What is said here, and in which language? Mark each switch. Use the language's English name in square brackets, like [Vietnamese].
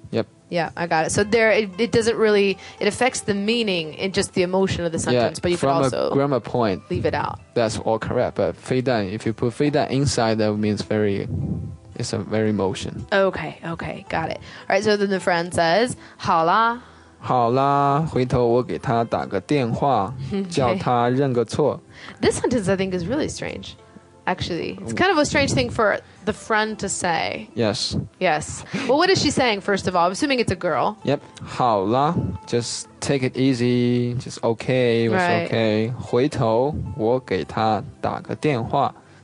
[English] Yep. Yeah, I got it. So there, it doesn't really, it affects the meaning and just the emotion of the sentence, but you could also from a grammar point, leave it out. That's all correct. But 非但, if you put 非但 inside, that means very, it's a very emotion. Okay, got it. All right, so then the friend says, 好啦。 [Chinese] 好啦，回头我给他打个电话，叫他认个错。 [English] This sentence I think is really strange. Actually, it's kind of a strange thing for the friend to say. Yes. Yes. Well, what is she saying, first of all? I'm assuming it's a girl. Yep. 好啦 just take it easy. Just okay. It was okay. [Chinese] 回头我给他打个电话。